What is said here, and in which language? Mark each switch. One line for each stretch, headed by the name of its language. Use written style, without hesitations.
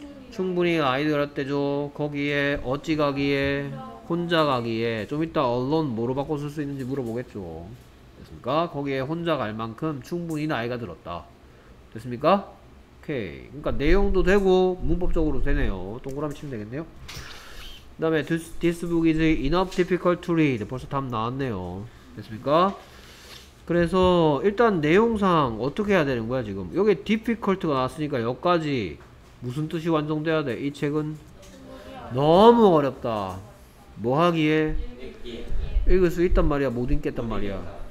Korean: 충분히 아이디어를 때죠. 거기에 어찌 가기에 혼자 가기에 좀 이따 언론 뭐로 바꿔 쓸 수 있는지 물어보겠죠. 됐습니까? 거기에 혼자 갈 만큼 충분히 나이가 들었다. 됐습니까? 오케이. 그러니까 내용도 되고 문법적으로 되네요. 동그라미 치면 되겠네요. 그 다음에
English: this book is enough difficult to read.
Korean: 벌써 답 나왔네요. 됐습니까? 그래서 일단 내용상 어떻게 해야 되는 거야 지금? 여기 difficult가 나왔으니까 여기까지 무슨 뜻이 완성돼야 돼? 이 책은 너무 어렵다. 뭐 하기에? 읽을 수 있단 말이야. 못 읽겠단 말이야.